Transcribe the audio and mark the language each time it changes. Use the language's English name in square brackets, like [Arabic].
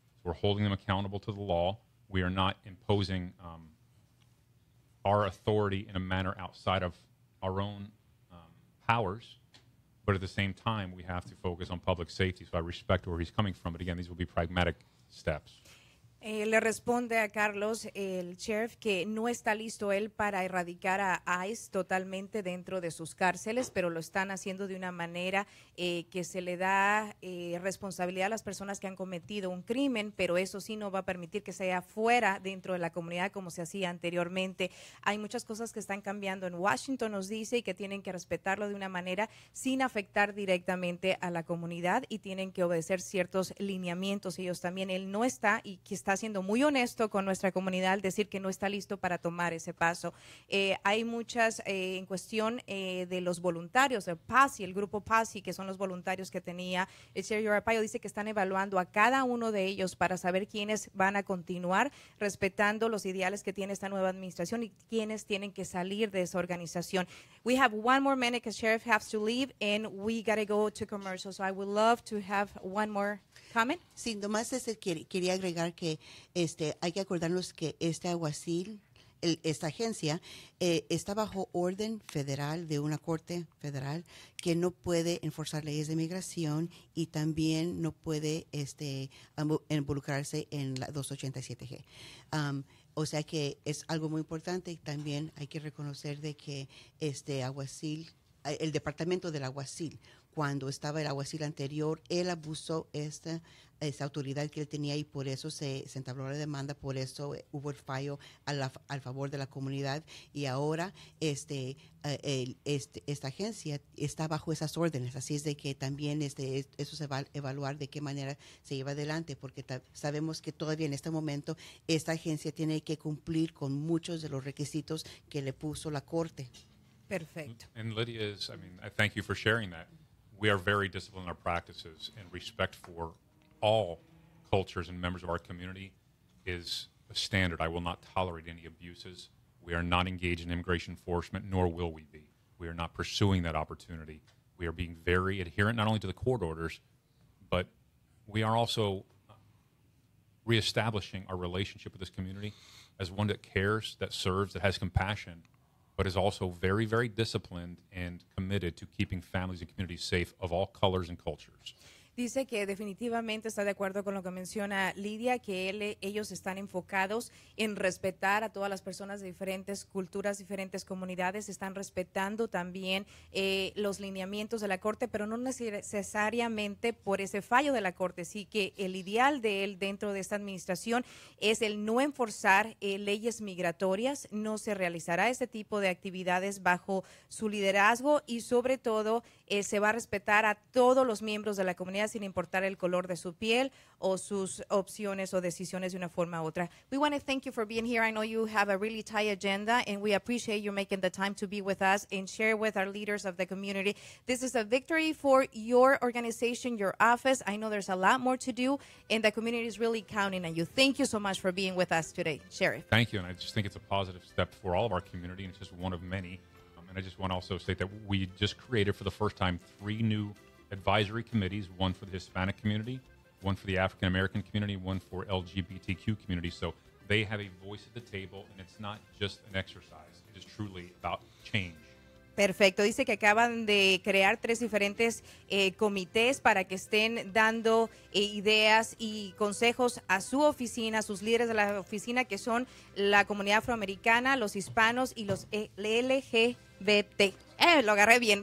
[English] So we're holding them accountable to the law. We are not imposing our authority in a manner outside of our own powers, But at the same time, we have to focus on public safety. So I respect where he's coming from. But again, these will be pragmatic steps. [Spanish] Le responde a Carlos, el sheriff, que no está listo él para erradicar a ICE totalmente dentro de sus cárceles, pero lo están haciendo de una manera que se le da responsabilidad a las personas que han cometido un crimen, pero eso sí no va a permitir que sea fuera dentro de la comunidad como se hacía anteriormente. Hay muchas cosas que están cambiando en Washington, nos dice, y que tienen que respetarlo de una manera sin afectar directamente a la comunidad y tienen que obedecer ciertos lineamientos. Ellos también, él no está y que está siendo muy honesto con nuestra comunidad al decir que no está listo para tomar ese paso. Hay muchas en cuestión de los voluntarios, el PASI, el grupo PASI, que son los voluntarios que tenía el señor Arpaio, dice que están evaluando a cada uno de ellos para saber quiénes van a continuar respetando los ideales que tiene esta nueva administración y quiénes tienen que salir de esa organización. [English] We have one more minute because Sheriff has to leave and we got to go to commercial. So I would love to have one more comment. [Spanish] Sí, nomás quería agregar que hay que acordarnos que este aguacil, esta agencia, está bajo orden federal de una corte federal que no puede enforzar leyes de migración y también no puede involucrarse en la 287G. O sea que es algo muy importante y también hay que reconocer de que este aguacil, el departamento del aguacil, cuando estaba el aguacil anterior, él abusó esta autoridad que él tenía y por eso se entabló la demanda, por eso hubo el fallo al favor de la comunidad y ahora esta agencia está bajo esas órdenes, así es de que también eso se va a evaluar de qué manera se lleva adelante, porque sabemos que todavía en este momento esta agencia tiene que cumplir con muchos de los requisitos que le puso la corte. Perfecto. [English] And Lydia, I thank you for sharing that. We are very disciplined in our practices, and respect for all cultures and members of our community is a standard. I will not tolerate any abuses. We are not engaged in immigration enforcement, nor will we be. We are not pursuing that opportunity. We are being very adherent not only to the court orders, but we are also reestablishing our relationship with this community as one that cares, that serves, that has compassion, but is also very, very disciplined and committed to keeping families and communities safe of all colors and cultures. [Spanish] Dice que definitivamente está de acuerdo con lo que menciona Lidia, que ellos están enfocados en respetar a todas las personas de diferentes culturas, diferentes comunidades, están respetando también los lineamientos de la corte, pero no necesariamente por ese fallo de la corte, sí que el ideal de él dentro de esta administración es el no enforzar leyes migratorias, no se realizará ese tipo de actividades bajo su liderazgo y sobre todo se va a respetar a todos los miembros de la comunidad sin importar el color de su piel o sus opciones o decisiones de una forma u otra. [English] We want to thank you for being here. I know you have a really tight agenda and we appreciate you making the time to be with us and share with our leaders of the community. This is a victory for your organization, your office. I know there's a lot more to do and the community is really counting on you. Thank you so much for being with us today, Sheriff. Thank you, and I just think it's a positive step for all of our community and it's just one of many. And I just want to also state that we just created for the first time three new advisory committees, one for the Hispanic community, one for the African American community, one for LGBTQ community. So they have a voice at the table, and it's not just an exercise. It is truly about change. [Spanish] Perfecto. Dice que acaban de crear tres diferentes comités para que estén dando ideas y consejos a su oficina, a sus líderes de la oficina, que son la comunidad afroamericana, los hispanos y los LGBT. Lo agarré bien.